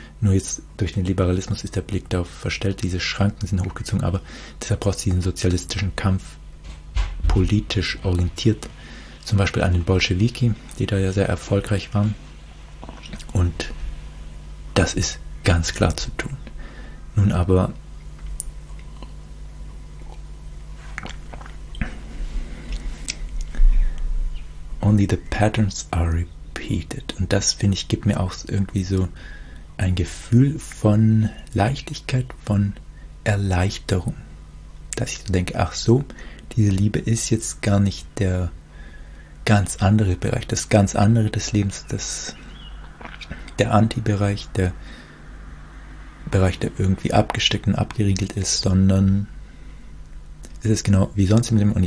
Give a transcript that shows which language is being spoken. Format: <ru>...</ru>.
<de>Nur jetzt durch den Liberalismus ist der Blick darauf verstellt, diese Schranken sind hochgezogen, aber deshalb braucht es diesen sozialistischen Kampf. Politisch orientiert, zum Beispiel an den Bolschewiki, die da ja sehr erfolgreich waren. Und das ist ganz klar zu tun. Nun aber,</de> <en>only the patterns are repeated.</en> <de>Und das, finde ich, gibt mir auch irgendwie so ein Gefühl von Leichtigkeit, von Erleichterung. Dass ich so denke, ach so. Diese Liebe ist jetzt gar nicht der ganz andere Bereich, das ganz andere des Lebens, der Anti-Bereich, der Bereich, der irgendwie abgesteckt und abgeriegelt ist, sondern es ist genau wie sonst im Leben.</de>